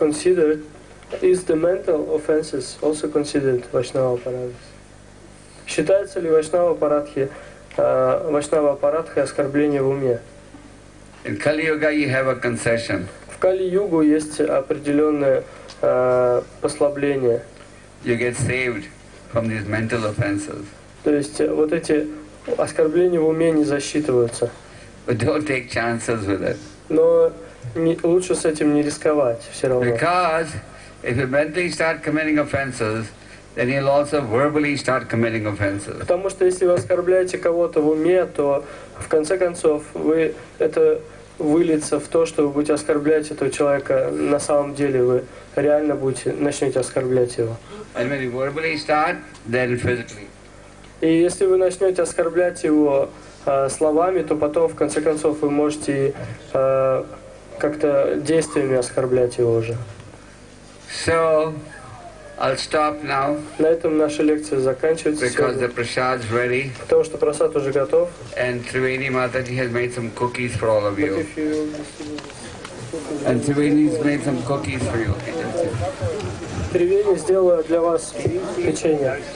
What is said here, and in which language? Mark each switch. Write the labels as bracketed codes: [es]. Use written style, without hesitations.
[en] Is the mental offenses also considered Vaishnava Paradis? [ru] Считается ли вайшнава-апаратхи оскорбление в уме? [en] In Kali-yuga you have a concession. [ru] В Кали-югу есть определенное послабление. [en] You get saved from these mental offenses. [ru] То есть вот эти оскорбления в уме не засчитываются. [en] But don't take chances with it. [ru] Но лучше с этим не рисковать все равно. [en] Because if you mentally start committing offenses, then he'll also verbally start committing offenses. [ru] Потому что если вы оскорбляете кого-то в уме, то в конце концов вы это выльется в то, что вы будете оскорблять этого человека на самом деле, вы реально будете начнете оскорблять его. [en] And when you verbally start, then physically. [ru] И если вы начнете оскорблять его словами, то потом в конце концов вы можете как-то действиями оскорблять его уже. [en] So I'll stop now. [ru] На этом наша лекция заканчивается. [en] Because the prasad is ready. [ru] Потому что прасад уже готов. [en] And Triveni Mataji has made some cookies for all of you. And Triveni has made some cookies for you. [ru] Триveni сделала для вас печенье.